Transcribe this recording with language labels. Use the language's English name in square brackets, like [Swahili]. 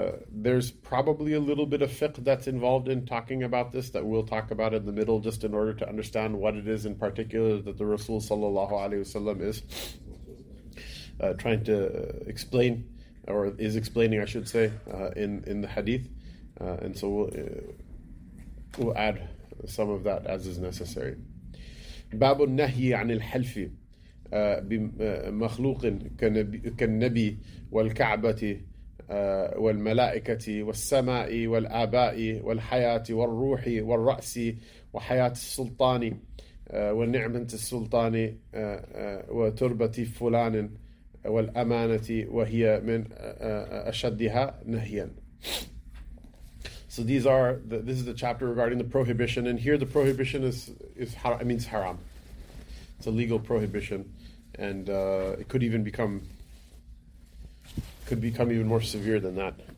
[English] There's probably a little bit of fiqh that's involved in talking about this that we'll talk about in the middle, just in order to understand what it is in particular that the Rasul sallallahu alaihi wasallam is trying to explain, or is explaining, I should say, in the hadith. And so we'll add some of that as is necessary. [Arabic] باب النهي عن الحلف بمخلوق كالنبي والكعبة والملائكة والسماء والآباء والحياة والروح والرأس وحياة السلطان ونعمة السلطان وتربة فلان والأمانة وهي من أشدها نهيا. [English] So these are the, this is the chapter regarding the prohibition, and here the prohibition is haram, it means haram. It's a legal prohibition, and it could even become even more severe than that.